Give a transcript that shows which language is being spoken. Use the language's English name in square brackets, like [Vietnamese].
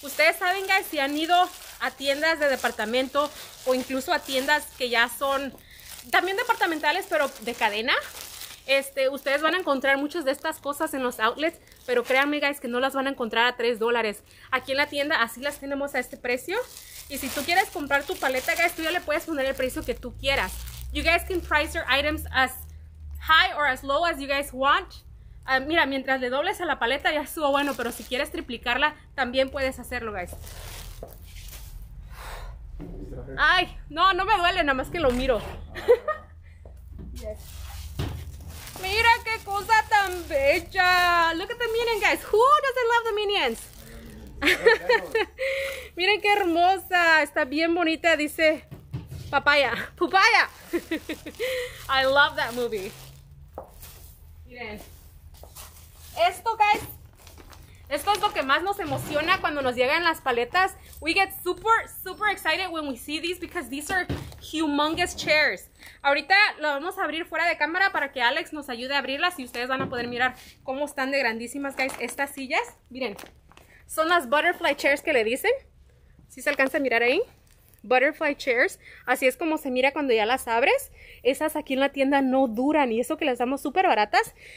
[Spanish] Ustedes saben, guys, si han ido a tiendas de departamento o incluso a tiendas que ya son también departamentales, pero de cadena. Ustedes van a encontrar muchas de estas cosas en los outlets, pero créanme, guys, que no las van a encontrar a $3. Aquí en la tienda así las tenemos a este precio. Y si tú quieres comprar tu paleta, guys, tú ya le puedes poner el precio que tú quieras. [English] You guys can price your items as high or as low as you guys want. [Spanish] Mira, mientras le dobles a la paleta ya estuvo bueno, pero si quieres triplicarla también puedes hacerlo, guys. Ay, no, no me duele, nada más que lo miro. Mira qué cosa tan bella. [English] Look at the minions, guys. Who doesn't love the minions? [Spanish] Miren qué hermosa. Está bien bonita, dice papaya. Pupaya. [English] I love that movie. [Spanish] Miren. Esto, guys, esto es lo que más nos emociona cuando nos llegan las paletas. [English] We get super, super excited when we see these because these are humongous chairs. [Spanish] Ahorita lo vamos a abrir fuera de cámara para que Alex nos ayude a abrirlas y ustedes van a poder mirar cómo están de grandísimas, guys, estas sillas. Miren, son las butterfly chairs que le dicen. ¿Sí se alcanza a mirar ahí? Butterfly chairs. Así es como se mira cuando ya las abres. Esas aquí en la tienda no duran y eso que las damos súper baratas.